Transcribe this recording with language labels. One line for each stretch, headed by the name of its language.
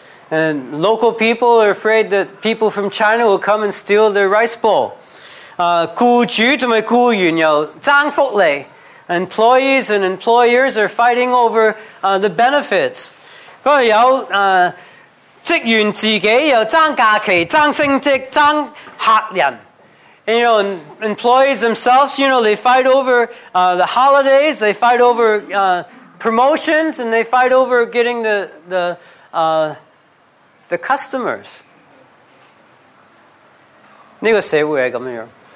English: And local people are afraid that people from China will come and steal their rice bowl.
Chinese: 雇主和雇员又争福利.
English: Employees and employers are fighting over the benefits.
Chinese: 有职员自己又争假期争升职争客人.
English: And, you know, employees themselves, you know, they fight over the holidays, they fight over promotions, and they fight over getting the customers.
Chinese: 这个社会是这样.